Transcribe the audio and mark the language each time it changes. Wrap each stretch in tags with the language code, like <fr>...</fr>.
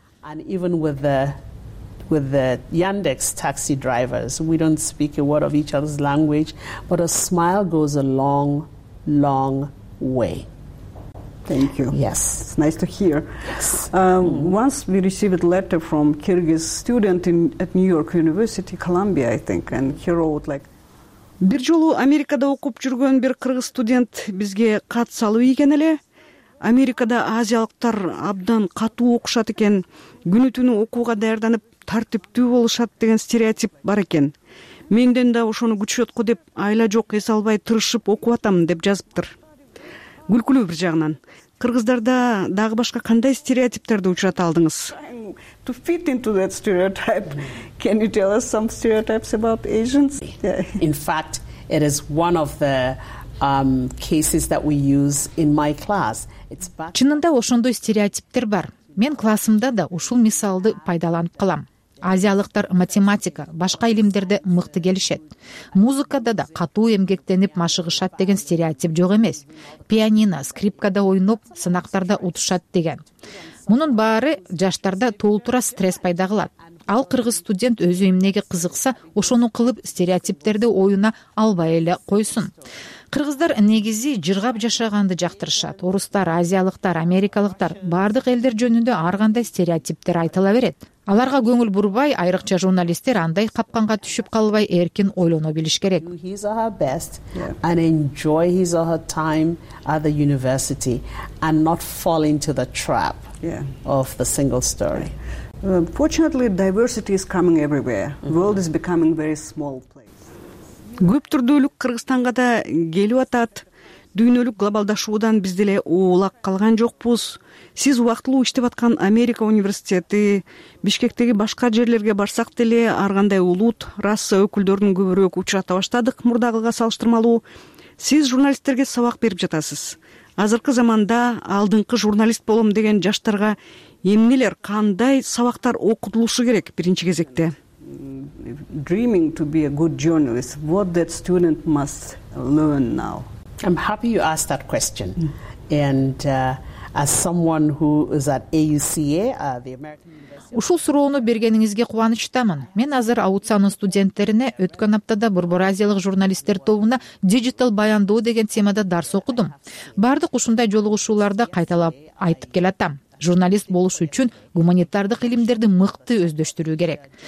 <en>And even with the Yandex taxi drivers, we don't speak a word of each other's language, but a smile goes a long, long way. Thank you. Yes. It's nice to hear. Yes. Once we received a letter from Kyrgyz student at New York University, Columbia, I think, and he wrote like...</en> <ky>Бир жолу Америкада окуп жүргөн бир кыргыз студент бизге кат салып ийген эле. Америкада азиялыктар абдан катуу окушат экен. Күнү-түнү окууга даярданып, тартиптүү болушат деген стереотип бар экен. Менден да ошону күчөткө деп, айла жок эс албай тырышып окуп атам деп жазыптыр. Күлкүлүү бир жагынан. Кыргыздарда дагы башка кандай стереотиптерди учурата алдыңыз?</ky> <en>To fit into that stereotype, can you tell us some stereotypes about Asians? Yeah. In fact, it is one of the cases that we use in my class. It's back.</en> <ky>Чынында ошондой стереотиптер бар. Мен классымда да ушул мисалды пайдаланып калам. Азиялыктар математика, башка илимдерде мыкты келишет. Музыкада да катуу эмгектенип машыгышат деген стереотип жок эмес. Пианино, скрипкада ойноп, сынактарда утушат деген. Мунун баары жаштарда толтура стресс пайда кылат. Ал кыргыз студент өзү эмнеге кызыкса, ошону кылып стереотиптерди оюна албай эле койсун. Кыргыздар негизи жыргап жашаганды жактырышат. Орустар, азиялыктар, америкалыктар, бардык элдер жөнүндө ар кандай стереотиптер айтыла берет. Аларга көңүл бурбай, айрыкча журналисттер андай капканга түшүп калбай эркин ойлоно билиш керек.</ky> <en>He's at her best and enjoy his or her time at the university and not fall into the trap of the single story. Fortunately, diversity is coming everywhere. World is becoming very small place.</en> <ky>Көп түрдүүлүк Кыргызстанга да келип атат. Дүйнөлүк глобалдашуудан биз деле оолак калган жокпуз. Сиз убактылуу иштеп аткан Америка университети, Бишкектеги башка жерлерге барсак деле ар кандай улут, раса өкүлдөрүн көбүрөөк учурата баштадык мурдагыга салыштырмалуу. Сиз журналисттерге сабак берип жатасыз. Азыркы заманда алдыңкы журналист болом деген жаштарга эмнелер, кандай сабактар окутулушу керек биринчи кезекте?</ky> <en>Dreaming to be a good journalist, what that student must learn now? I'm happy you asked that question. And as someone who is at AUCA, the American University...</en> <ky>Ушул суроону бергениңизге кубанычтамын. Мен азыр АУЦА-нын студенттерине өткөн аптада Борбор Азиялык журналисттер тобуна «Digital баяндоо» деген темада дарс окудум. Бардык ушундай жолугушууларда кайталап айтып келатам. Журналист болуш үчүн гуманитардык илимдерди мыкты өздөштүрүү керек.</ky>